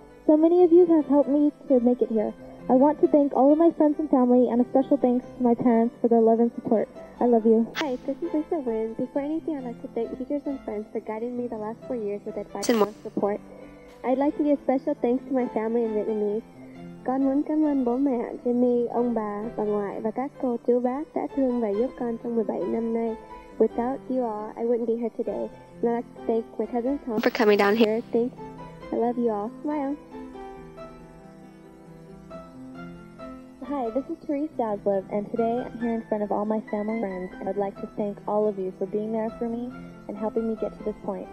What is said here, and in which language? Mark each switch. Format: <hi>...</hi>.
<en>So many of you have helped me to make it here. I want to thank all of my friends and family, and a special thanks to my parents for their love and support. I love you. Hi, this is Lisa Nguyen. Before anything, I'd like to thank teachers and friends for guiding me the last 4 years with advice and more support. I'd like to give special thanks to my family in Vietnamese.</en> <vi>Con muốn cảm ơn bố mẹ, Jimmy, ông bà, bà ngoại và các cô chú bác đã thương và giúp con trong 17 năm nay.</vi> <en>Without you all, I wouldn't be here today. I'd like to thank my cousin Tom for coming down here. Thanks. I love you all. Smile. Hi, this is Therese Daslev, and today I'm here in front of all my family and friends, and I'd like to thank all of you for being there for me and helping me get to this point.</en>